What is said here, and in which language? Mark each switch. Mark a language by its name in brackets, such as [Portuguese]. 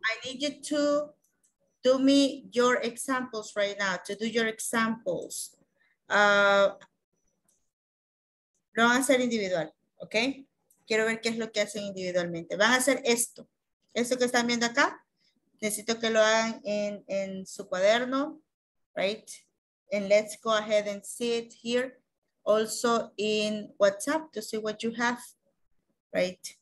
[English] I need you to do me your examples right now, to do your examples. [Spanish] Lo van a hacer individual, ok? Quiero ver qué es lo que hacen individualmente. Van a hacer esto. Esto que están viendo acá, necesito que lo hagan en su cuaderno, right? [English] And let's go ahead and see it here also in WhatsApp to see what you have, right?